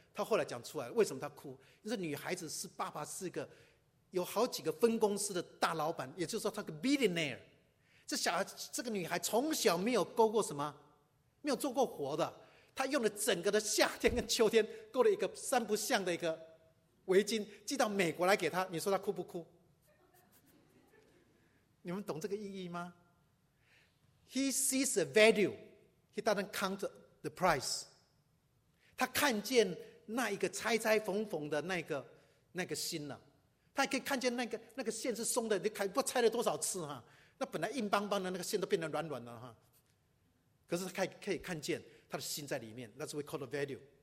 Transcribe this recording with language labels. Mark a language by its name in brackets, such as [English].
[Chinese] 他后来讲出来，为什么他哭？因为女孩子是爸爸是个有好几个分公司的大老板，也就是说他个 billionaire。这小孩，这个女孩从小没有勾过什么，没有做过活的，她用了整个的夏天跟秋天勾了一个三不像的一个围巾寄到美国来给她，你说她哭不哭？你们懂这个意义吗？ [English] He sees the value, he doesn't count the price. [Chinese] 他看见那一个拆拆缝缝的那个心了，他也可以看见那个线是松的，你看不拆了多少次哈，那本来硬邦邦的那个线都变得软软了哈。可是他可以看见他的心在里面， [English] That's what we call the value.